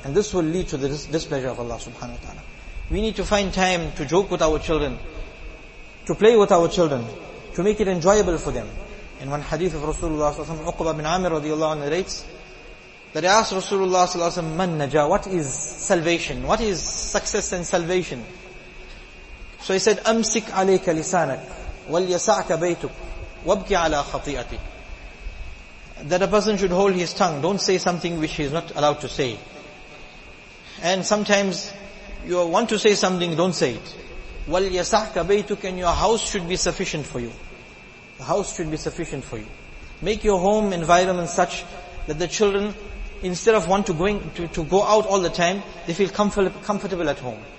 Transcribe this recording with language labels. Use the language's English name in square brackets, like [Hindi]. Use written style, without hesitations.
[English] And this will lead to the displeasure of Allah subhanahu wa ta'ala. We need to find time to joke with our children, to play with our children, to make it enjoyable for them. In one hadith of Rasulullah s.a.w., Uqba bin Amir radiallahu anhu narrates, that he asked Rasulullah s.a.w., [Arabic] Man najah, [English] what is salvation? What is success and salvation? So he said, [Arabic] أَمْسِكْ عَلَيْكَ لِسَانَكْ وَلْيَسَعْكَ بَيْتُكْ وَبْكِ عَلَىٰ خَطِيئَتِكْ. [English] That a person should hold his tongue. Don't say something which he is not allowed to say. And sometimes you want to say something, don't say it. [Arabic] وَلْيَسَعْكَ بَيْتُكَ. [English] And your house should be sufficient for you. The house should be sufficient for you. Make your home environment such that the children, instead of wanting to go out all the time, they feel comfortable at home.